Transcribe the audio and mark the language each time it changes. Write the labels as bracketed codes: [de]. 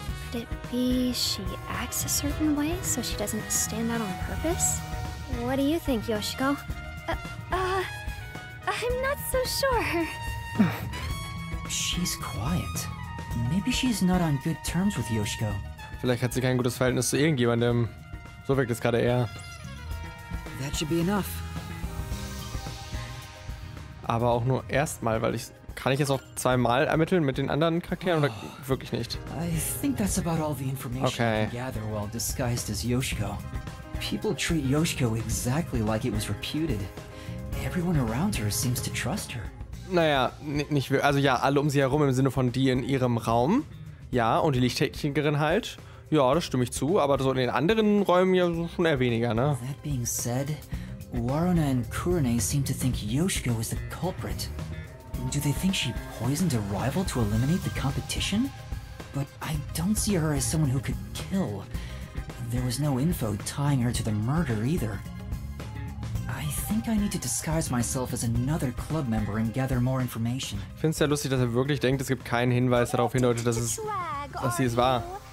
[en] Could it be she acts a certain way so she doesn't stand out on purpose? What do you think, Yoshiko? I'm not so sure. She's quiet. Maybe she's not on good terms with Yoshiko. [de] Vielleicht hat sie kein gutes Verhältnis zu irgendjemandem. So wirkt es gerade eher. [en] That should be enough. [de] Aber auch nur erstmal, weil ich... Kann ich jetzt auch zweimal ermitteln mit den anderen Charakteren oder wirklich nicht? [en] I think that's about all the information okay. I can gather while disguised as Yoshiko. People treat Yoshiko exactly like it was reputed. Everyone around her seems to trust her. [de] Naja, nicht wirklich. Also ja, alle um sie herum im Sinne von die in ihrem Raum. Ja, und die Lichttechnikerin halt. Ja, das stimme ich zu, aber so in den anderen Räumen ja schon eher weniger, ne? [en] That being said, Waruna and Kurane seem to think Yoshiko is the culprit. Do they think she poisoned a rival to eliminate the competition? But I don't see her as someone who could kill. There was no info tying her to the murder either. I think I need to disguise myself as another club member and gather more information. [de] Ich find's ja lustig, dass er wirklich denkt, es gibt keinen Hinweis darauf hindeutet, dass es dass sie es war.